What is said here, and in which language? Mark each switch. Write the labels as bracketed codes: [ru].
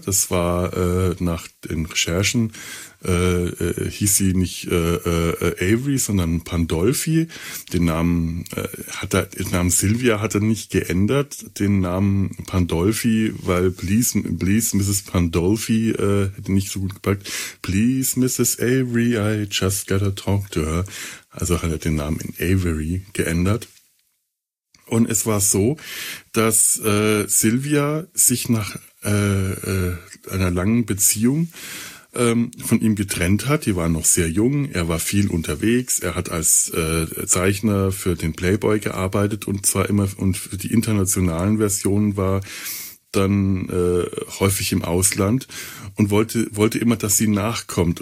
[de] Das war nach den Recherchen, hieß sie nicht Avery, sondern Pandolfi. Den Namen Namen Silvia hat er nicht geändert, den Namen Pandolfi, weil [en] please Mrs. [de] Pandolfi hätte nicht so gut gepackt. [en] Please Mrs. Avery, I just gotta talk to her. [de] Also hat er den Namen in Avery geändert. Und es war so, dass Silvia sich nach einer langen Beziehung von ihm getrennt hat. Die waren noch sehr jung, er war viel unterwegs, er hat als Zeichner für den Playboy gearbeitet und zwar immer, und für die internationalen Versionen war dann häufig im Ausland und wollte immer, dass sie nachkommt.